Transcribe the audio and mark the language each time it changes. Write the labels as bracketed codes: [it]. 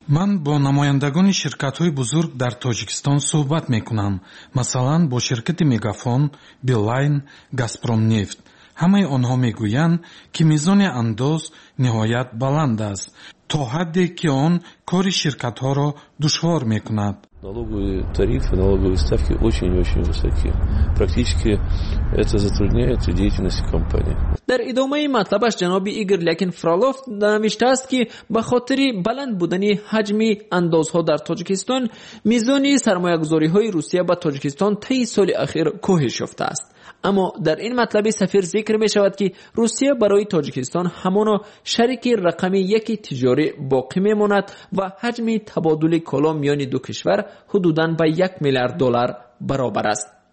[fa] من با نمایندگان شرکت های بزرگ در تاجیکستان صحبت میکنم، مثلا با شرکت میگافون، بیلاین، گازپروم نفت. همه آنها میگویند که میزان انداز نهایت بلند است تا حدی که آن کار شرکت ها را دشوار میکند. [ru] Налоговые тарифы, налоговые ставки очень-очень высокие. Практически это затрудняет деятельность компании. [fa] در ادامه مطلبش جناب ایگر لیاکین فرالوف نوشته است که به خاطر بلند بودن حجم اندازها در تاجیکستان، میزان سرمایه‌گذاری های روسیه به تاجیکستان طی سال اخیر کاهش یافته است. اما در این مطلب سفیر ذکر می شود که روسیه برای تاجیکستان همانا شریک رقم یک تجاری باقی می ماند و حجم تبادل کالا میان دو کشور حدوداً به $1 میلیارد برابر است.